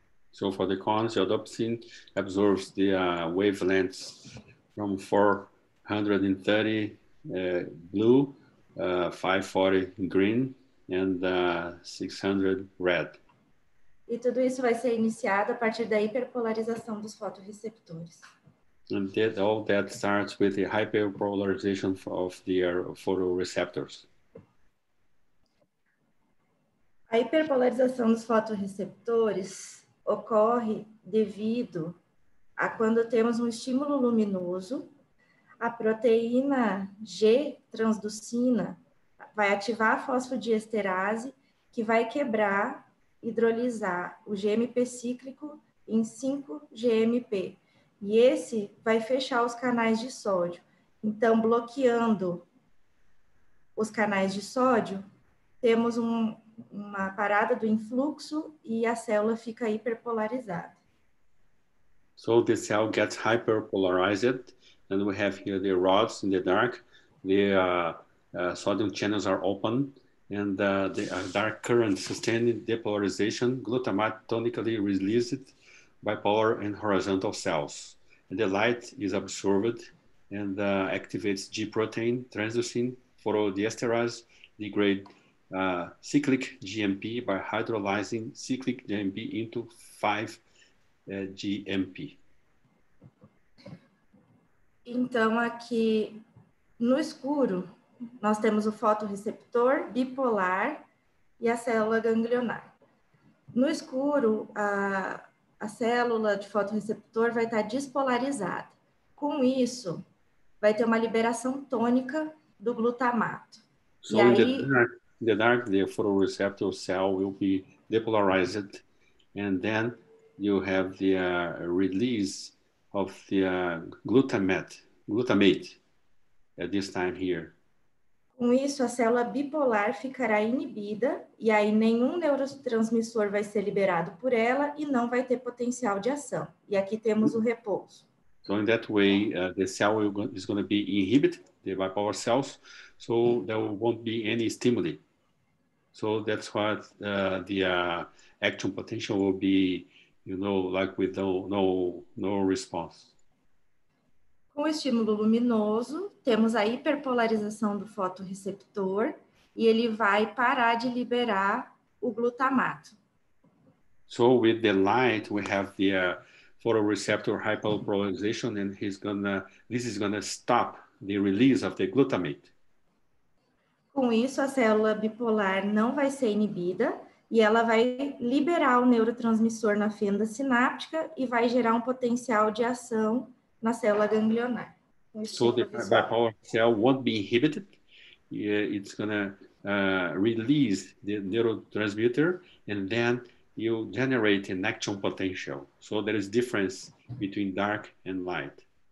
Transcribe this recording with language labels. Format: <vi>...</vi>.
<en>So for the cones, the rhodopsin absorbs the wavelengths from 430 blue, 540 green, and 600 red.</en> <pt>E tudo isso vai ser iniciado a partir da hiperpolarização dos fotoreceptores.</pt> <en>And that, all that starts with the hyperpolarization of the photoreceptors.</en> <pt>A hiperpolarização dos fotoreceptores ocorre devido a quando temos um estímulo luminoso, a proteína G transducina vai ativar a fosfodiesterase, que vai quebrar, hidrolisar o GMP cíclico em 5-GMP. E esse vai fechar os canais de sódio. Então, bloqueando os canais de sódio, temos uma parada do influxo e a célula fica hiperpolarizada.</pt> <en>So the cell gets hyperpolarized, and we have here the rods in the dark. The sodium channels are open, and the dark current sustaining depolarization glutamate tonically released bipolar and horizontal cells. And the light is absorbed and activates G protein, transducing photodiesterase, degrade cyclic GMP by hydrolyzing cyclic GMP into 5-GMP.</en> <pt>Então, aqui no escuro, nós temos o fotorreceptor bipolar e a célula ganglionar. No escuro, a célula de fotorreceptor vai estar despolarizada. Com isso, vai ter uma liberação tônica do glutamato.</pt> <en>So in the dark, the photoreceptor cell will be depolarized, and then you have the release of the glutamate at this time here.</en> <pt>Com isso, a célula bipolar ficará inibida e aí nenhum neurotransmissor vai ser liberado por ela e não vai ter potencial de ação. E aqui temos o repouso.</pt> <en>So in that way, the cell is going to be inhibited, the bipolar cells, so there won't be any stimuli. So that's what the action potential will be, you know, like with no response.</en> <pt>Com o estímulo luminoso, temos a hiperpolarização do fotorreceptor e ele vai parar de liberar o glutamato.</pt> <en>So with the light, we have the photoreceptor hyperpolarization and this is gonna stop the release of the glutamate.</en> <pt>Com isso, a célula bipolar não vai ser inibida e ela vai liberar o neurotransmissor na fenda sináptica e vai gerar um potencial de ação na célula ganglionar.</pt> <en>So the bipolar cell won't be inhibited. It's going to release the neurotransmitter and then you generate an action potential. So there is difference between dark and light.</en>